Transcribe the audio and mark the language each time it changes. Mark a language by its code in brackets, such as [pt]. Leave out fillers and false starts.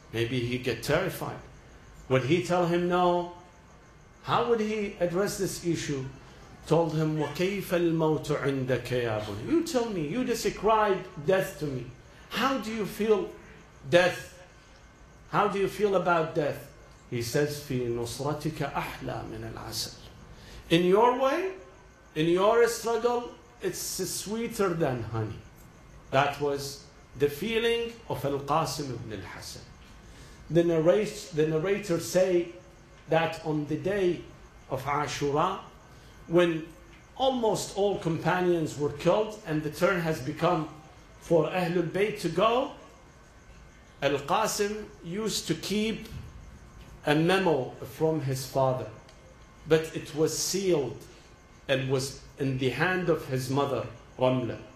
[en] Maybe he get terrified. Would he tell him no? How would he address this issue? Told him, [ar] وَكَيْفَ الْمَوْتُ عِنْدَكَ يَا بُنَيَّ [en] You tell me, you describe death to me. How do you feel death? How do you feel about death? He says, [ar] في نصرتك أحلى من العسل. [en] In your way, in your struggle, it's sweeter than honey. That was the feeling of Al-Qasim ibn al-Hasan. The narrator say that on the day of Ashura, when almost all companions were killed and the turn has become for Ahlul Bayt to go, Al-Qasim used to keep a memo from his father, but it was sealed and was in the hand of his mother, Ramla.